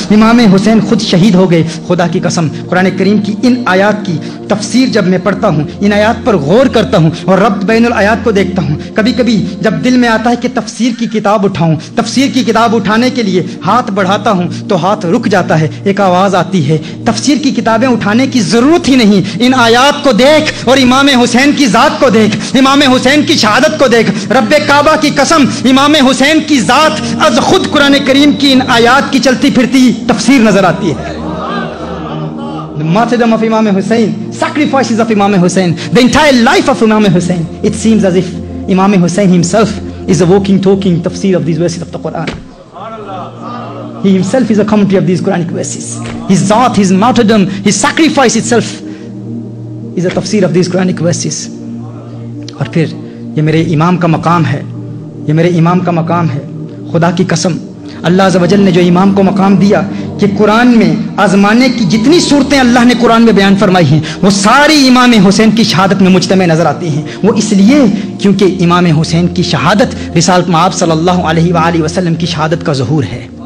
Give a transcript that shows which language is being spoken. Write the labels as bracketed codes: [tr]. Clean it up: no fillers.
[ur] امام حسین خود شہید ہو گئے. خدا کی قسم، قرآن کریم کی ان آیات کی تفسیر جب میں پڑھتا ہوں، ان آیات پر غور کرتا ہوں اور ربط بین الآیات کو دیکھتا ہوں، کبھی کبھی جب دل میں آتا ہے کہ تفسیر کی کتاب اٹھاؤں، تفسیر کی کتاب اٹھانے کے لیے ہاتھ بڑھاتا ہوں تو ہاتھ رک جاتا ہے، ایک آواز آتی ہے تفسیر کی کتابیں اٹھانے کی ضرورت ہی نہیں، ان آیات کو دیکھ اور امام حسین کی ذات کو دیکھ، امام حسین کی شہادت کو دیکھ. رب کعبہ کی قسم، امام حسین کی ذات از خود قرآن کریم کی ان آیات کی چلتی پھرتی تفسیر نظر آتی ہے. [en] Martyrdom of Imam Hussain, sacrifices of Imam Hussain, the entire life of Imam Hussain, it seems as if Imam Hussain himself is a walking, talking tafsir of these verses of the Quran. He himself is a commentary of these Quranic verses. His zat, his martyrdom, his sacrifice itself is a tafsir of these Quranic verses. [ur] اور پھر یہ میرے امام کا مقام ہے، یہ میرے امام کا مقام ہے. خدا کی قسم اللہ عز و جل نے جو امام کو مقام دیا کہ قرآن میں آزمانے کی جتنی صورتیں اللہ نے قرآن میں بیان فرمائی ہیں وہ ساری امام حسین کی شہادت میں مجتمع نظر آتی ہیں. وہ اس لیے کیونکہ امام حسین کی شہادت رسالت مآب صلی اللہ علیہ وآلہ وسلم کی شہادت کا ظہور ہے.